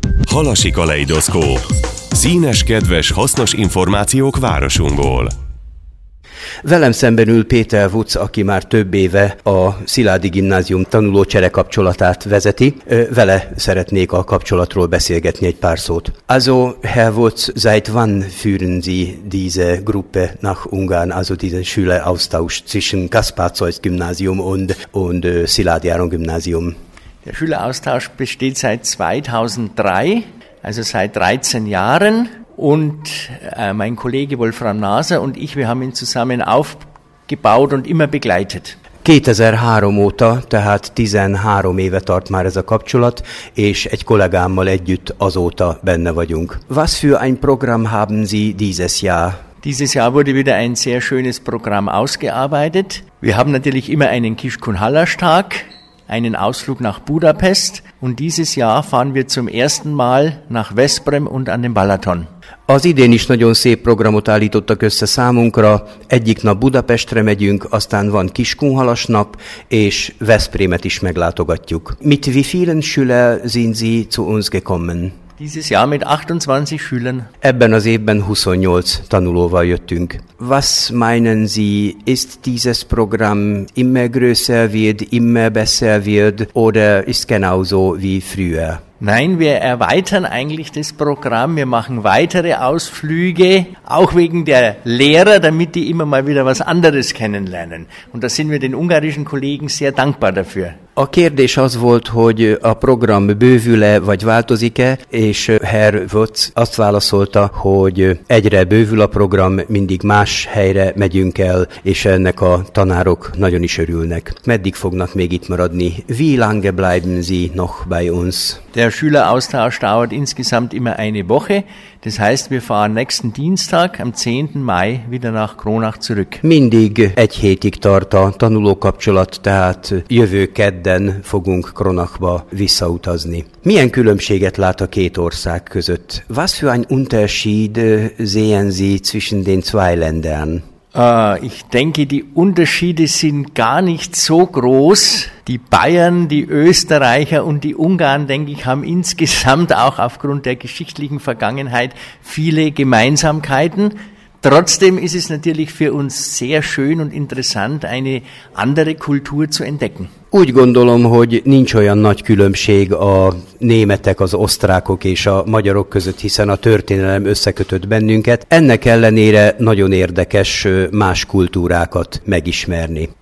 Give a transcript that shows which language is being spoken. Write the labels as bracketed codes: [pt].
[hu] Halasi Kaleidoszkóp. Színes, kedves, hasznos információk városunkból. Velem szemben ül Péter Vucz, aki már több éve a Szilády Gimnázium tanuló csere kapcsolatát vezeti. Vele szeretnék a kapcsolatról beszélgetni egy pár szót. [de] Also, Herr Vucz, seit wann führen Sie diese Gruppe nach Ungarn, also diesen Schüleraustausch zwischen Kaspar-Zeuss Gymnasium und Szilády Áron Gymnasium? Der Schüleraustausch besteht seit 2003, also seit 13 Jahren. Und mein Kollege Wolfram Naser und ich, wir haben ihn zusammen aufgebaut und immer begleitet. [hu] 2003 óta, tehát 13 éve tart már ez a kapcsolat, és egy kollégámmal együtt azóta benne vagyunk. [de] Was für ein Programm haben Sie dieses Jahr? Dieses Jahr wurde wieder ein sehr schönes Programm ausgearbeitet. Wir haben natürlich immer einen Kishkun-Hallasch-Tag, einen Ausflug nach Budapest und dieses Jahr fahren wir zum ersten Mal nach Veszprém und an den Balaton. [hu] Az idén is nagyon szép programot állítottak össze számunkra. Egyik nap Budapestre megyünk, aztán van Kiskunhalas nap, és Veszprémet is meglátogatjuk. [de] Mit wie vielen Schüler sind Sie zu uns gekommen? Dieses Jahr mit 28 Schülern. [hu] Ebben az évben 28 tanulóval jöttünk. [de] Was meinen Sie, ist dieses Programm immer größer wird, immer besser wird oder ist genauso wie früher? Nein, wir erweitern eigentlich das Programm, wir machen weitere Ausflüge, auch wegen der Lehrer, damit die immer mal wieder was anderes kennenlernen. Und da sind wir den ungarischen Kollegen sehr dankbar dafür. [hu] A kérdés az volt, hogy a program bővül-e vagy változik-e, és Herr Wötz azt válaszolta, hogy egyre bővül a program, mindig más helyre megyünk el, és ennek a tanárok nagyon is örülnek. Meddig fognak még itt maradni? [de] Wie lange bleiben Sie noch bei uns? Der Schüleraustausch dauert insgesamt immer eine Woche. Das heißt, wir fahren nächsten Dienstag am 10. Mai wieder nach Kronach zurück. [hu] Mindig egy hétig tart a tanulókapcsolat, tehát jövő kedden fogunk Kronachba visszautazni. Milyen különbséget lát a két ország között? [de] Was für ein Unterschied sehen Sie zwischen den zwei Ländern? Ich denke, die Unterschiede sind gar nicht so groß. Die Bayern, die Österreicher und die Ungarn, denke ich, haben insgesamt auch aufgrund der geschichtlichen Vergangenheit viele Gemeinsamkeiten. Trotzdem ist es natürlich für uns sehr schön und interessant, eine andere Kultur zu entdecken. [hu] Úgy gondolom, hogy nincs olyan nagy különbség a németek, az osztrákok és a magyarok között, hiszen a történelem összekötött bennünket. Ennek ellenére nagyon érdekes más kultúrákat megismerni.